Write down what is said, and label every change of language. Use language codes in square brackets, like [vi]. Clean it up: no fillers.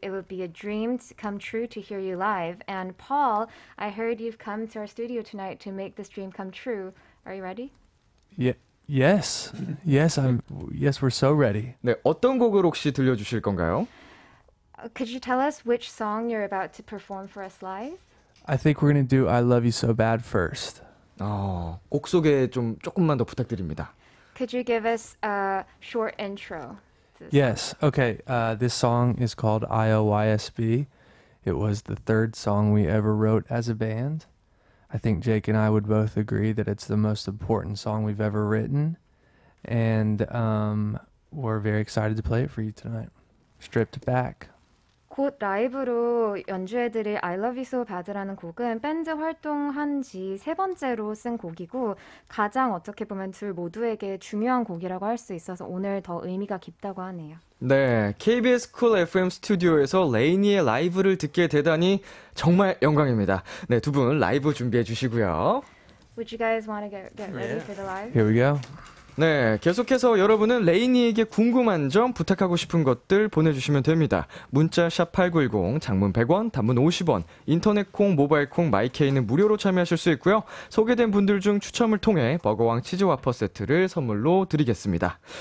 [en] It would be a dream to come true to hear you live. And Paul, I heard you've come to our studio tonight to make this dream come true. Are you ready? Yeah. Yes. Yes, I'm. Yes, we're so ready. [ko] 네, 어떤 곡을 혹시 들려주실 건가요? [en] Could you tell us which song you're about to perform for us live? I think we're going to do I Love You So Bad first. [ko] 곡 소개 좀 조금만 더 부탁드립니다. [en] Could you give us a short intro? Yes. Okay. This song is called IOYSB. It was the third song we ever wrote as a band. I think Jake and I would both agree that it's the most important song we've ever written. And we're very excited to play it for you tonight. Stripped Back. [ko] 곧 라이브로 연주해드릴 I Love You So Bad라는 곡은 밴드 활동한 지 세 번째로 쓴 곡이고 가장 어떻게 보면 둘 모두에게 중요한 곡이라고 할 수 있어서 오늘 더 의미가 깊다고 하네요. 네, KBS Cool FM 스튜디오에서 레이니의 라이브를 듣게 되다니 정말 영광입니다. 네, 두 분 라이브 준비해 주시고요. [en] Would you guys want to get ready for the live? Here we go. [ko] 네, 계속해서 여러분은 레이니에게 궁금한 점, 부탁하고 싶은 것들 보내주시면 됩니다. 문자 샵 8910, 장문 100원, 단문 50원, 인터넷콩, 모바일콩, 마이케이는 무료로 참여하실 수 있고요. 소개된 분들 중 추첨을 통해 버거왕 치즈 와퍼 세트를 선물로 드리겠습니다.